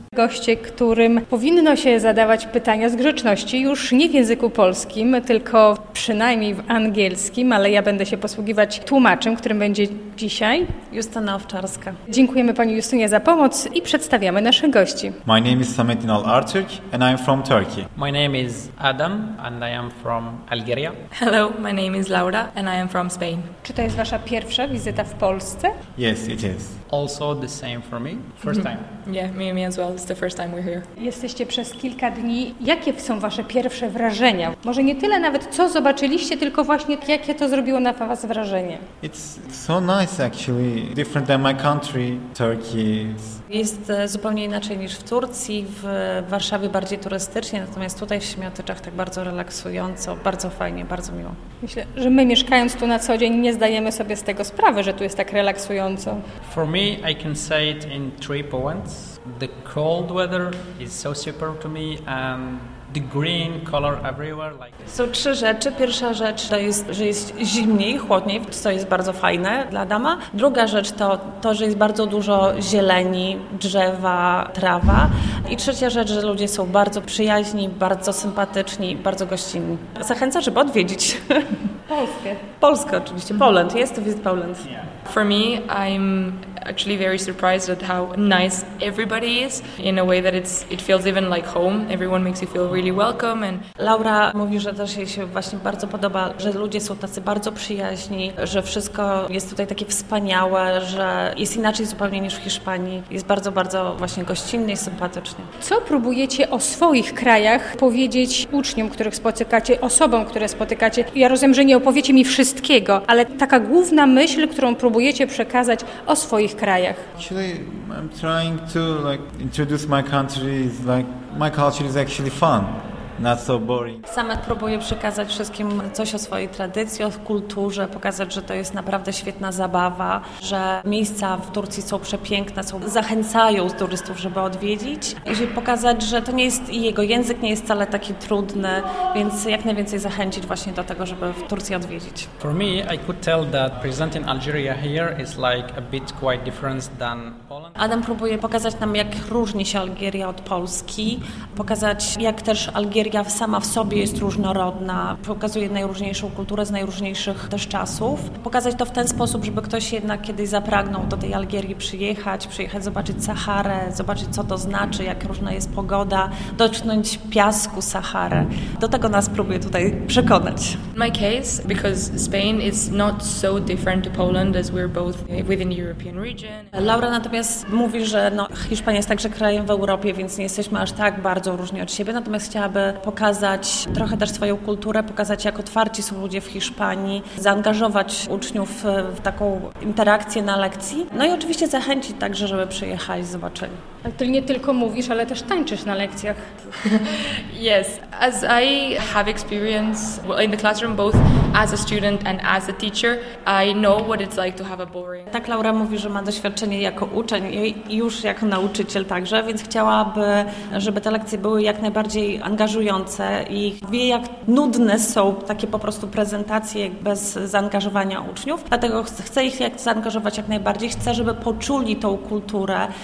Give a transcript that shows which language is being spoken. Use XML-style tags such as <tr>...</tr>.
<pl>Goście, którym powinno się zadawać pytania z grzeczności, już nie w języku polskim, tylko przynajmniej w angielskim, ale ja będę się posługiwać tłumaczem, którym będzie dzisiaj? Justyna Owczarska. Dziękujemy Pani Justynie za pomoc i przedstawiamy naszych gości.</pl> <en>My name is Samet Inal Artürk and I'm from Turkey. My name is Adam and I am from Algeria. Hello, my name is Laura and I am from Spain.</en> <pl>Czy to jest Wasza pierwsza wizyta w Polsce?</pl> <en>Yes, it is. Also the same for me. First time. Yeah, me as well. It's the first time we're here.</en> <pl>Jesteście przez kilka dni. Jakie są Wasze pierwsze wrażenia? Może nie tyle nawet, co zobaczyliście, tylko właśnie jakie to zrobiło na Was wrażenie?</pl> <en>It's so nice actually. Different than my country, Turkey.</en> <pl>Jest zupełnie inaczej niż w Turcji. W Warszawie bardziej turystycznie, natomiast tutaj w Siemiatyczach tak bardzo relaksująco, bardzo fajnie, bardzo miło. Myślę, że my mieszkając tu na co dzień nie zdajemy sobie z tego sprawy, że tu jest tak relaksująco.</pl> <en>For me, I can say it in three points. The cold weather is so super to me and the green color everywhere. Like...</en> <pl>Są trzy rzeczy. Pierwsza rzecz to jest, że jest zimniej, chłodniej, co jest bardzo fajne dla Adama. Druga rzecz to, że jest bardzo dużo zieleni, drzewa, trawa. I trzecia rzecz, że ludzie są bardzo przyjaźni, bardzo sympatyczni, bardzo gościnni. Zachęca, żeby odwiedzić. Polskę oczywiście. Poland. Jest to Visit Poland.</pl> <en>Yeah. For me, I'm actually very surprised at how nice everybody is, in a way that it feels even like home. Everyone makes you feel really welcome.</en> <pl>And Laura mówi, że też jej się właśnie bardzo podoba, że ludzie są tacy bardzo przyjaźni, że wszystko jest tutaj takie wspaniałe, że jest inaczej zupełnie niż w Hiszpanii. Jest bardzo, bardzo właśnie gościnny i sympatyczny. Co próbujecie o swoich krajach powiedzieć uczniom, których spotykacie, osobom, które spotykacie? Ja rozumiem, że nie opowiecie mi wszystkiego, ale taka główna myśl, którą próbujecie przekazać o swoich krajach.</pl> <en>Actually, I'm trying to like introduce my country is like my culture is actually fun. Not so boring.</en> <pl>Sama próbuję przekazać wszystkim coś o swojej tradycji, o kulturze, pokazać, że to jest naprawdę świetna zabawa, że miejsca w Turcji są przepiękne, są zachęcają turystów, żeby odwiedzić i żeby pokazać, że to nie jest i jego język nie jest wcale taki trudny, więc jak najwięcej zachęcić właśnie do tego, żeby w Turcji odwiedzić.</pl> <en>For me, I could tell that presenting Algeria here is like a bit quite different than Poland.</en> <pl>Adam próbuje pokazać nam, jak różni się Algeria od Polski, pokazać, jak też Algeria sama w sobie jest różnorodna, pokazuje najróżniejszą kulturę z najróżniejszych też czasów. Pokazać to w ten sposób, żeby ktoś jednak kiedyś zapragnął do tej Algierii przyjechać, zobaczyć Saharę, zobaczyć co to znaczy, jak różna jest pogoda, dotknąć piasku Saharę. Do tego nas próbuje tutaj przekonać.</pl> <en>In my case, because Spain is not so different to Poland as we're both within the European region.</en> <pl>Laura natomiast mówi, że no, Hiszpania jest także krajem w Europie, więc nie jesteśmy aż tak bardzo różni od siebie, natomiast aby pokazać trochę też swoją kulturę, pokazać jak otwarci są ludzie w Hiszpanii, zaangażować uczniów w taką interakcję na lekcji. No i oczywiście zachęcić także, żeby przyjechać, zobaczyli. Ale ty nie tylko mówisz, ale też tańczysz na lekcjach.</pl> <en>Yes, as I have experience in the classroom both as a student and as a teacher, I know what it's like to have a boring.</en> <pl>Tak Laura mówi, że ma doświadczenie jako uczeń i już jako nauczyciel także, więc chciałaby, żeby te lekcje były jak najbardziej angażujące i wie, jak nudne są takie po prostu prezentacje bez zaangażowania uczniów. Dlatego chcę ich zaangażować jak najbardziej. Chcę, żeby poczuli tą kulturę.</pl>